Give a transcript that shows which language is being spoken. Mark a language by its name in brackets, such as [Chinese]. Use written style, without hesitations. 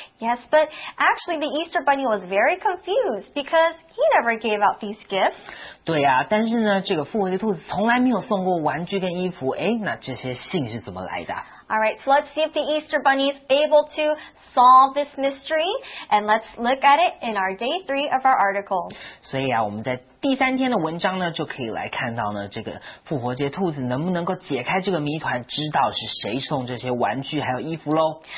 [English] Yes, but actually the Easter Bunny was very confused because he never gave out these gifts. [Chinese] 对啊，但是呢，这个复活节兔子从来没有送过玩具跟衣服，哎，那这些信是怎么来的？ [English] All right, so let's see if the Easter Bunny is able to solve this mystery, and let's look at it in our day three of our article. [Chinese] 所以啊，我们在第三天的文章呢，就可以来看到呢，这个复活节兔子能不能够解开这个谜团，知道是谁送这些玩具还有衣服咯。